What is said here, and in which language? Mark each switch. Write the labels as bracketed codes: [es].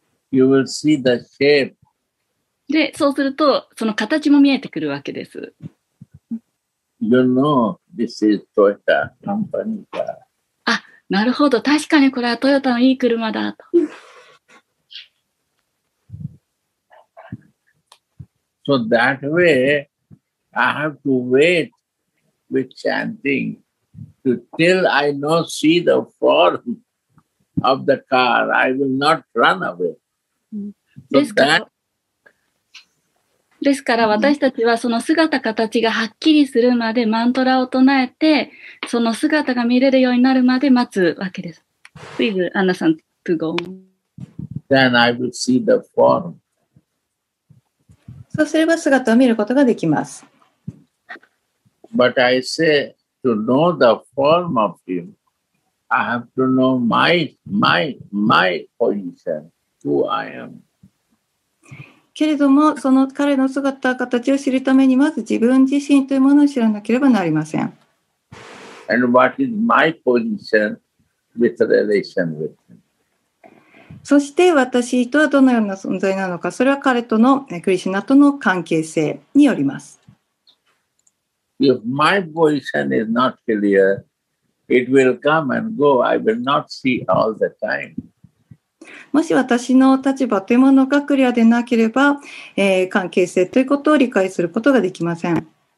[en] You will see the shape. [ja] で、そうするとその形も見えてくるわけです。 [en] You know this is Toyota company car. [ja] あ、なるほど。確かにこれはトヨタのいい車だと。 [en] So that way, I have to wait with chanting till I now see the form. of the car, I will not run away. [ja] ですから私たちはその姿形がはっきりするまでマントラを唱えて、その姿が見れるようになるまで待つわけです。 [en] Please, Anna さん、to go. Then I will see the form. [ja] そうすれば姿を見ることができます。 [en] But I say, to know the form of him, I have to know my position, who I am. [ja] けれども、その彼の姿、形を知るために、まず自分自身というものを知らなければなりません。 [en] And what is my position with relation with him? [ja] そして、私とはどのような存在なのか、それは彼との、クリシュナとの関係性によります。 [en] If my position is not clear, it will come and go. I will not see all the time. [ja] もし私の立場というものがクリアでなければ、関係性ということを理解することができません。